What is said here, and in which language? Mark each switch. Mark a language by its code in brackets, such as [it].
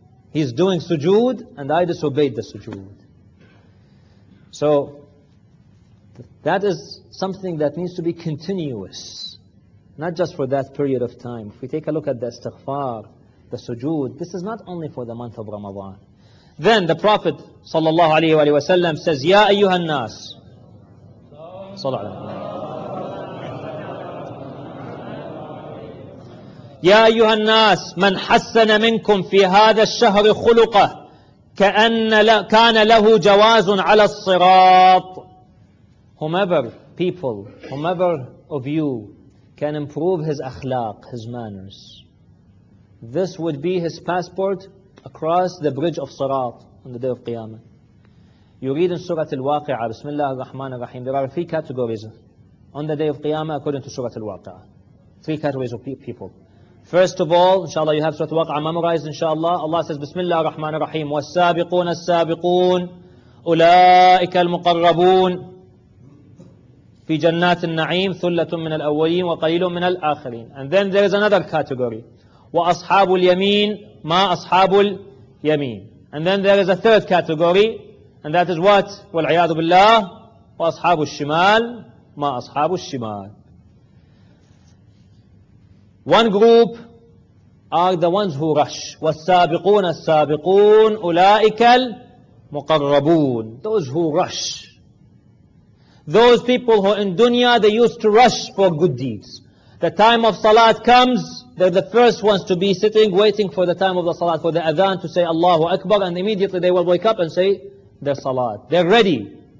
[en] He's doing sujood and I disobeyed the sujood. So that is something that needs to be continuous, not just for that period of time. If we take a look at the istighfar, the sujood, this is not only for the month of Ramadan. Then the Prophet sallallahu alayhi wa sallam says, [ar] Ya ayyuhan nas, يا أيها الناس من حسن منكم في هذا الشهر خلقه كأن كان له جواز على الصراط. [en] Whomever people, whomever of you can improve his akhlaq, his manners, this would be his passport across the bridge of Sirat on the day of Qiyamah. You read in Surah Al-Waqi'ah, Bismillah ar-Rahman ar-Rahim, there are three categories on the day of Qiyamah according to Surah Al-Waqi'ah. Three categories of people. First of all, inshallah, you have Surah Al-Waqi'ah memorized, inshallah. Allah says, [ar] Bismillah ar-Rahman ar-Rahim, والسابقون السابقون أولئك المقربون في جنات النعيم ثلة من الأولين وقليل من الآخرين. [en] And then there is another category. [ar] وأصحاب اليمين ما أصحاب اليمين. [en] And then there is a third category. And that is what? [ar] والعياذ بالله وأصحاب الشمال ما أصحاب الشمال. [en] One group are the ones who rush. [ar] وَالسَّابِقُونَ السَّابِقُونَ أُولَٰئِكَ الْمُقَرَّبُونَ. [en] Those who rush. Those people who in dunya, they used to rush for good deeds. The time of salat comes, they're the first ones to be sitting, waiting for the time of the salat, for the adhan to say Allahu Akbar, and immediately they will wake up and say their salat. They're ready.